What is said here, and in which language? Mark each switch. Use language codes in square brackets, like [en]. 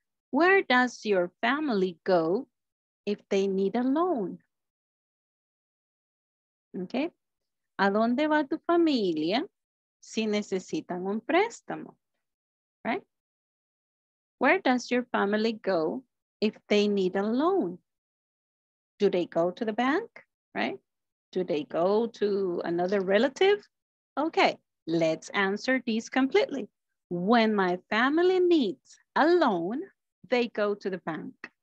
[en] Where does your family go if they need a loan? [es] Okay, ¿a dónde va tu familia si necesitan un préstamo, right? [en] Where does your family go if they need a loan? Do they go to the bank, right? Do they go to another relative? Okay, let's answer this completely. When my family needs a loan, they go to the bank.